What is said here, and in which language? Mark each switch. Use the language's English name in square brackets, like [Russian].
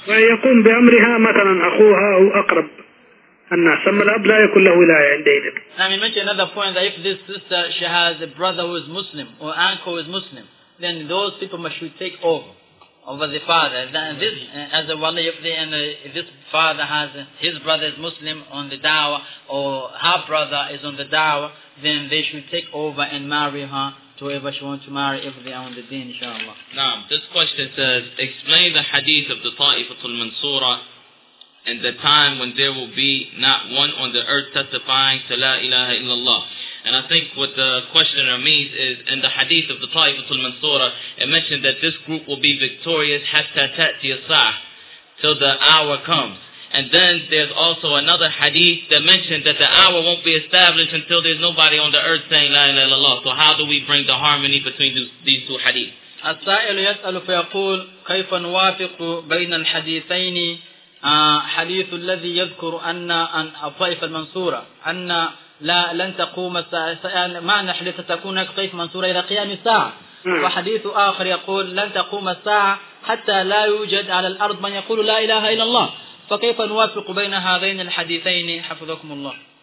[Arabic] ويقوم بأمرها مثلا أخوها أو أقرب الناس، أما الأب لا يكون له ولاية عندئذ. [English] Now he mentioned another point that if this sister she has a brother who is Muslim or uncle who is Muslim, then those people should take over the father. Then this as a wali, if this father has his brother is Muslim on the dawah or her brother is on the dawah, then they should take over and marry her. Whoever she wants to marry, if they are on the deen, inshallah. Now, this question says, explain the hadith of the Ta'ifatul Mansura and the time when there will be not one on the earth testifying to La ilaha illallah. And I think what the questioner means is, in the hadith of the Ta'ifatul Mansura, it mentioned that this group will be victorious [Arabic] hatta ta'ti as-sa'ah, [English] till the hour comes. And then there's also another hadith that mentioned that the hour won't be established until there's nobody on the earth saying La ilaha illallah. So how do we bring the harmony between these two hadith? [Arabic] السائل يسأل فيقول كيف نوافق بين الحديثين حديث الذي يذكر أن الطائفة المنصورة أن لا لن تقوم معنى حديث تكون الطائفة منصورة إلى قيام الساعة، وحديث آخر يقول لن تقوم الساعة حتى لا يوجد على الأرض من يقول لا إله إلا الله، فكيف نوافق بين هذين الحديثين حفظكم الله؟